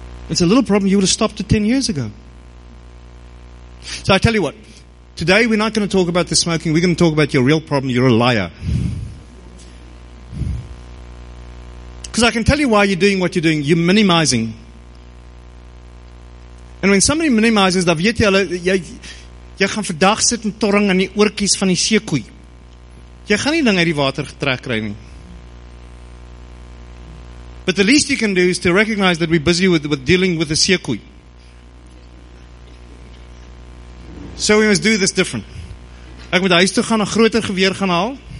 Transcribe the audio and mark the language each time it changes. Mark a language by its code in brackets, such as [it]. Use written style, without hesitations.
[en] It's a little problem, you would have stopped it 10 years ago. So I tell you what, today we're not going to talk about the smoking, we're going to talk about your real problem, you're a liar. Because I can tell you why you're doing what you're doing, you're minimizing. And when somebody minimizes, [af] dan weet jy hulle, jy gaan vandag sit en torring aan die oortjies van die seekoei. Jy gaan nie ding uit die water getrek kry nie. [en] But the least you can do is to recognize that we're busy with dealing with the seekoei. So we must do this different. [af] Ek moet huis toe gaan, 'n groter geweer gaan haal.